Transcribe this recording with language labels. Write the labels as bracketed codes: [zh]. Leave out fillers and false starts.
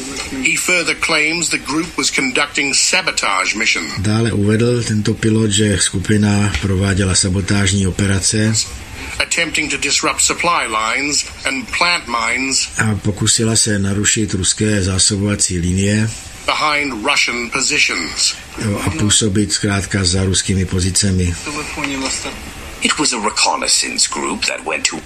[en] He further claims the group was conducting sabotage mission. [cs] Dále uvedl tento pilot, že skupina prováděla sabotážní operace. [en] Attempting to disrupt supply lines and plant mines. [cs] A pokusila se narušit ruské zásobovací linie. [en] Behind Russian positions. [cs] A působit zkrátka za ruskými pozicemi. [en] It was a reconnaissance group that went to.